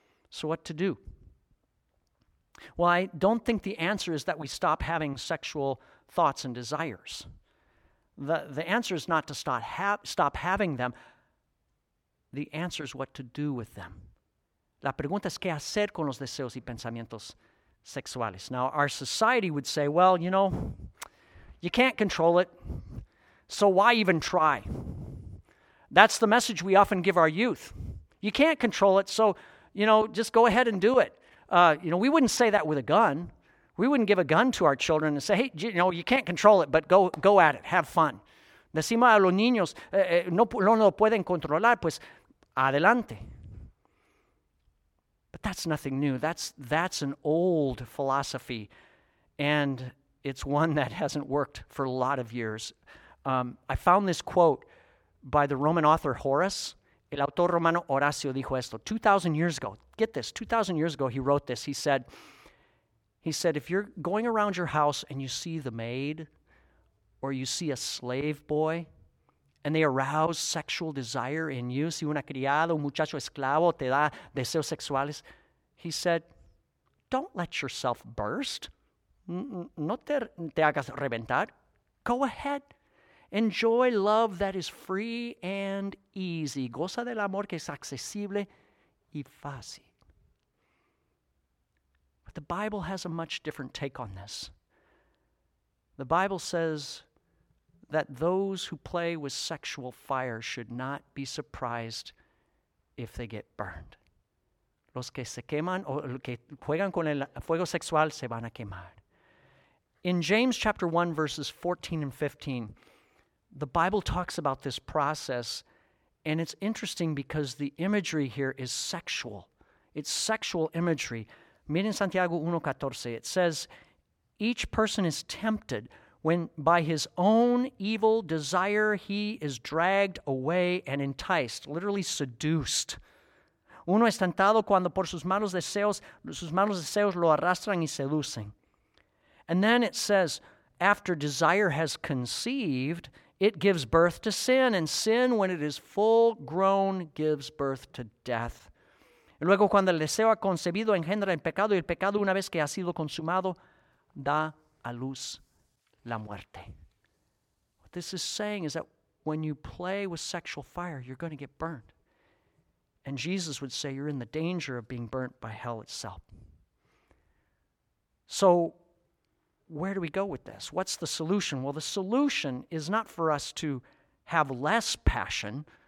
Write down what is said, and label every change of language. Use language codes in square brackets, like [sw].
[en] So what to do? Well, I don't think the answer is that we stop having sexual thoughts and desires. The answer is not to stop having them. The answer is what to do with them. [es] La pregunta es qué hacer con los deseos y pensamientos sexuales. [en] Now, our society would say, well, you know, you can't control it, so why even try? That's the message we often give our youth. You can't control it, so you know, just go ahead and do it. You know, we wouldn't say that with a gun. We wouldn't give a gun to our children and say, hey, you know, you can't control it, but go at it. Have fun. [es] Decimos a los niños, no lo pueden controlar, pues adelante. [en] But that's nothing new. That's an old philosophy, and it's one that hasn't worked for a lot of years. I found this quote by the Roman author Horace. [es] El autor romano Horacio dijo esto [en] 2,000 years ago. Get this, 2,000 years ago he wrote this. He said, if you're going around your house and you see the maid or you see a slave boy and they arouse sexual desire in you, [es] si una criada, un muchacho esclavo te da deseos sexuales, [en] he said, don't let yourself burst. [es] No te hagas reventar. [en] Go ahead. Enjoy love that is free and easy. [es] Goza del amor que es accesible y fácil. [en] But the Bible has a much different take on this. The Bible says that those who play with sexual fire should not be surprised if they get burned. [es] Los que se queman o que juegan con el fuego sexual se van a quemar. [en] In James chapter 1, verses 14 and 15, the Bible talks about this process, and it's interesting because the imagery here is sexual. It's sexual imagery. [es] Miren Santiago 1:14. [en] It says, each person is tempted when by his own evil desire he is dragged away and enticed, literally seduced. [es] Uno es tentado cuando por sus malos deseos lo arrastran y seducen. [en] And then it says, after desire has conceived, it gives birth to sin, and sin, when it is full grown, gives birth to death. [es] Y luego, cuando el deseo ha concebido, engendra el pecado, y el pecado, una vez que ha sido consumado, da a luz la muerte. [en] What this is saying is that when you play with sexual fire, you're going to get burned. And Jesus would say you're in the danger of being burnt by hell itself. So, where do we go with this? What's the solution? Well, the solution is not for us to have less passion.